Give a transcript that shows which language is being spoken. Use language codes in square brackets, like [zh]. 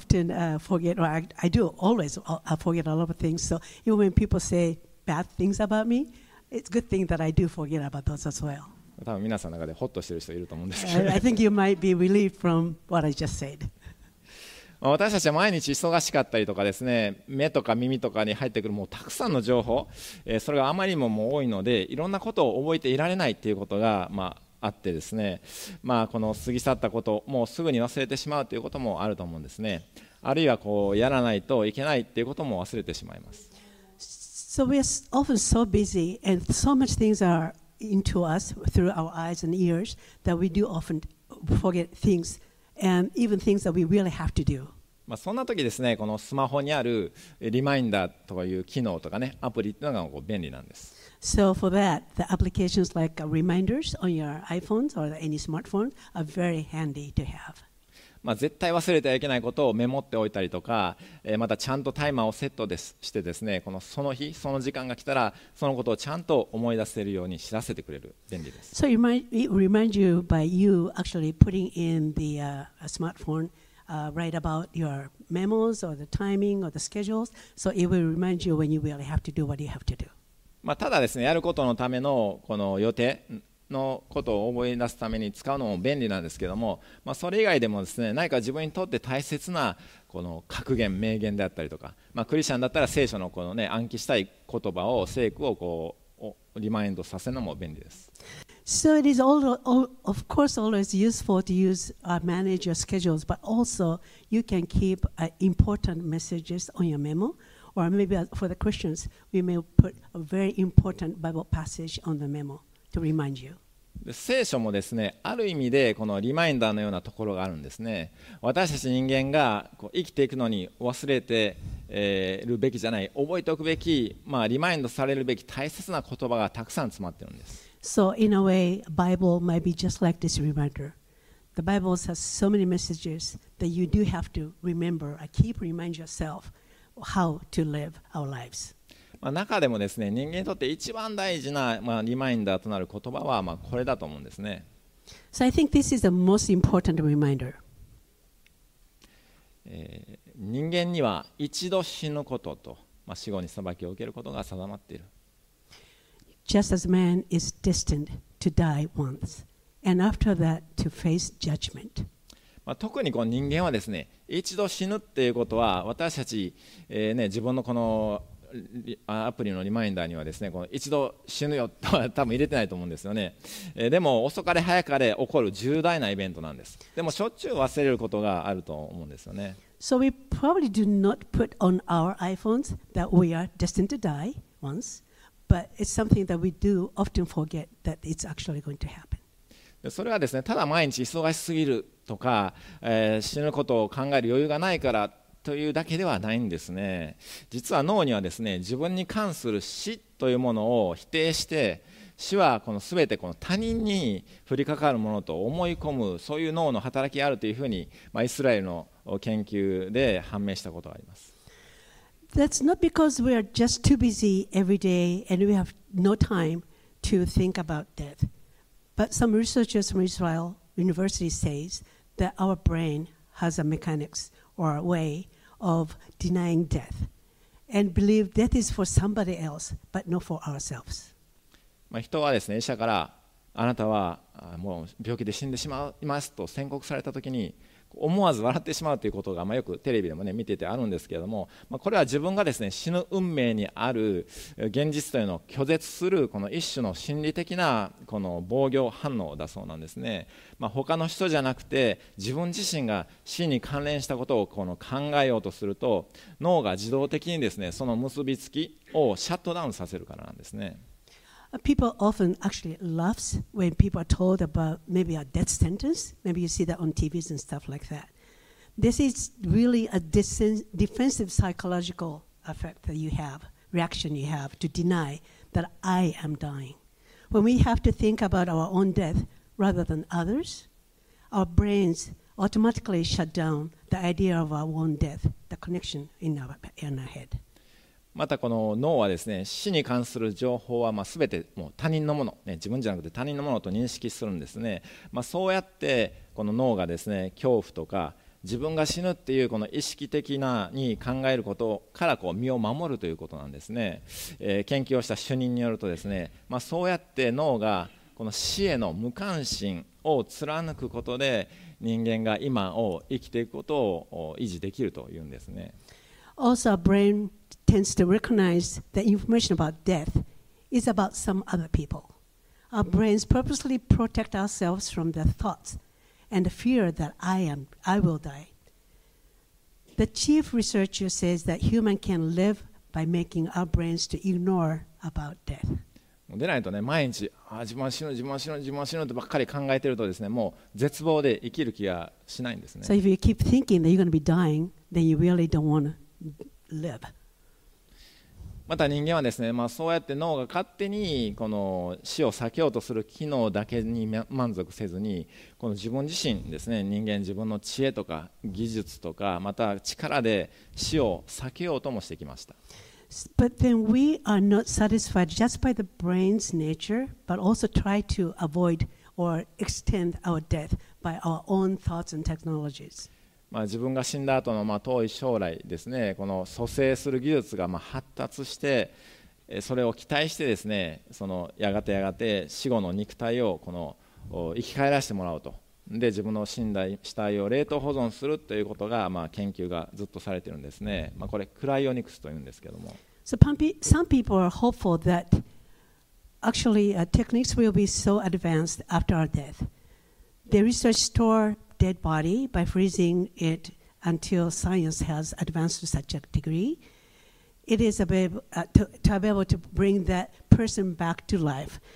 [en] I do always forget a lot of things. So even when people say bad things about me, it's a good thing that I do forget about those as well. [ja] 多分皆さんの中でホッとしてる人いると思うんですけど、 [en] I think you might be relieved from what I just said. [ja] 私たちは毎日忙しかったりとかですね、目とか耳とかに入ってくるもうたくさんの情報、それがあまりにも多いので、いろんなことを覚えていられないっていうことが、あってですね、この過ぎ去ったこともうすぐに忘れてしまうということもあると思うんですね。あるいはこうやらないといけないということも忘れてしまいます。 [en] So we are often so busy and so much things are into us through our eyes and ears that we do often forget things and even things that we really have to do。 [ja] そんな時ですね、このスマホにあるリマインダーという機能とかね、アプリというのがこう便利なんです。 [en] So for that, the applications like reminders on your iPhones or any smartphone are very handy to have. [ja] まあ、絶対忘れてはいけないことをメモっておいたりとか、またちゃんとタイマーをセットですしてですね、このその日その時間が来たらそのことをちゃんと思い出せるように知らせてくれる便利です。 [en] So it reminds you by you actually putting in the smartphone write about your memos or the timing or the schedules, so it will remind you when you really have to do what you have to do. [ja] まあただですね、やることのためのこの予定のことを思い出すために使うのも便利なんですけども、まあ、それ以外でもですね、何か自分にとって大切なこの格言、名言であったりとか、まあ、クリスチャンだったら聖書のこのね、暗記したい言葉を、聖句をこうリマインドさせるのも便利です。 [en] So it is all, of course always useful to use, manage your schedules, but also you can keep important messages on your memo, or maybe for the Christians, we may put a very important Bible passage on the memo. To remind you. [ja] 聖書もですね、ある意味でこのリマインダーのようなところがあるんですね。私たち人間がこう生きていくのに忘れて、るべきじゃない、覚えておくべき、まあ、リマインドされるべき大切な言葉がたくさん詰まってるんです。 [en] So in a way, Bible might be just like this reminder. The Bible has so many messages that you do have to remember, or keep remind yourself how to live our lives. [ja] まあ、中でもですね、人間にとって一番大事な、まあ、リマインダーとなる言葉は、まあ、これだと思うんですね。 [en] So I think this is the most important reminder. [ja] 人間には一度死ぬことと、まあ、死後に裁きを受けることが定まっている。 [en] Just as man is destined to die once, and after that to face judgment. [ja] まあ、特にこう人間はですね、一度死ぬっていうことは、私たち、ね、自分のこのアプリのリマインダーにはですね、この一度死ぬよとは多分入れてないと思うんですよね。でも遅かれ早かれ起こる重大なイベントなんです。でもしょっちゅう忘れることがあると思うんですよね。 [en] So we probably do not put on our iPhones that we are destined to die once, but it's something that we do often forget that it's actually going to happen. [ja] それはですね、ただ毎日忙しすぎるとか、死ぬことを考える余裕がないからというだけではないんですね。実は脳にはですね、自分に関する死というものを否定して、死はこの全てこの他人に降りかかるものと思い込む、そういう脳の働きがあるというふうに、まあ、イスラエルの研究で判明したことがあります。 [en] That's not because we are just too busy every day and we have no time to think about death. But some researchers from Israel University says that our brain has a mechanics. Or a way of denying death, and believe death is for somebody else, but not for ourselves. [ja] まあ、人はですね、医者からあなたはもう病気で死んでしまいますと宣告されたときに、思わず笑ってしまうということが、まあ、よくテレビでもね見ててあるんですけれども、まあ、これは自分がですね、死ぬ運命にある現実というのを拒絶する、この一種の心理的なこの防御反応だそうなんですね。まあ、他の人じゃなくて自分自身が死に関連したことをこの考えようとすると、脳が自動的にですね、その結びつきをシャットダウンさせるからなんですね。 [en] People often actually laughs when people are told about maybe a death sentence. Maybe you see that on TVs and stuff like that. This is really a defensive psychological effect that you have, reaction you have to deny that I am dying. When we have to think about our own death rather than others, our brains automatically shut down the idea of our own death, the connection in our head. [ja] またこの脳はですね、死に関する情報はまあ全てもう他人のもの、ね、自分じゃなくて他人のものと認識するんですね。まあ、そうやってこの脳がですね、恐怖とか自分が死ぬっていうこの意識的なに考えることからこう身を守るということなんですね。研究をした主任によるとですね、まあ、そうやって脳がこの死への無関心を貫くことで、人間が今を生きていくことを維持できるというんですね。 [en] Also a brainTends to recognize that information about death is about some other people. Our brains purposely protect ourselves from the thoughts and the fear that I will die. The chief researcher says that human can live by making our brains to ignore about death. [ja] でないとね、毎日あ自分は死ぬ自分は死ぬ自分は死ぬとばっかり考えてるとですね、もう絶望で生きる気がしないんですね。 [en] So if you keep thinking that you're going to be dying, then you really don't want to live. [ja] また人間はですね、まあ、そうやって脳が勝手にこの死を避けようとする機能だけに満足せずに、この自分自身ですね、人間自分の知恵とか技術とかまた力で死を避けようともしてきました。 [en] But then we are not satisfied just by the brain's nature, but also try to avoid or extend our death by our own thoughts and technologies. [ja] まあ、自分が死んだ後のまあ遠い将来ですね、この蘇生する技術がまあ発達して、それを期待してですね、そのやがてやがて死後の肉体をこの生き返らせてもらおうと。で、自分の死んだ死体を冷凍保存するということが、まあ、研究がずっとされているんですね。まあ、これクライオニクスというんですけども。 [en] So, some people are hopeful that actually techniques will be so advanced after our death. They research store dead body by freezing it until science has advanced to such a degree. It is able to bring that person back to life.